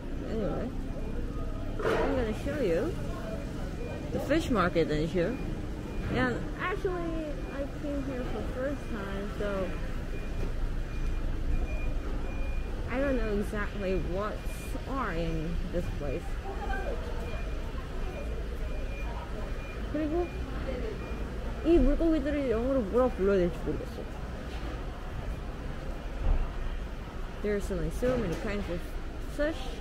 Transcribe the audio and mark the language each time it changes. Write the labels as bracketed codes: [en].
[en] Anyway, I'm gonna show you the fish market in here. And actually, I came here for the first time, so I don't know exactly what are in this place. [ko] 그리고 이 물고기들을 영어로 뭐라 불러야 될지 모르겠어. [en] There are like so many kinds of fish.